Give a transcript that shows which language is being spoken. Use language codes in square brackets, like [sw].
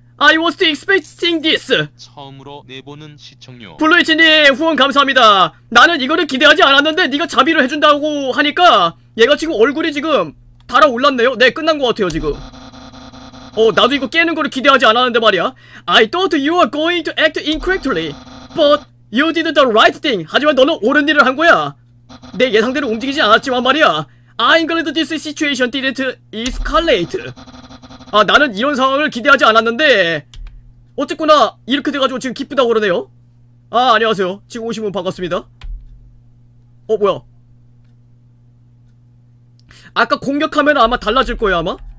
[en] I was expecting this. [ko] 처음으로 내보는 시청료. 블루이치님 후원 감사합니다. 나는 이거를 기대하지 않았는데 네가 자비를 해준다고 하니까 얘가 지금 얼굴이 지금 달아올랐네요. 네 끝난 것 같아요 지금. 어 나도 이거 깨는 거를 기대하지 않았는데 말이야. [en] I thought you were going to act incorrectly. But you did the right thing. [ko] 하지만 너는 옳은 일을 한 거야. 내 예상대로 움직이지 않았지만 말이야. [en] I'm glad this situation didn't escalate. [ko] 아 나는 이런 상황을 기대하지 않았는데 어쨌거나 이렇게 돼가지고 지금 기쁘다고 그러네요. 아 안녕하세요. 지금 오신 분 반갑습니다. 어 뭐야. 아까 공격하면 아마 달라질 거예요 아마.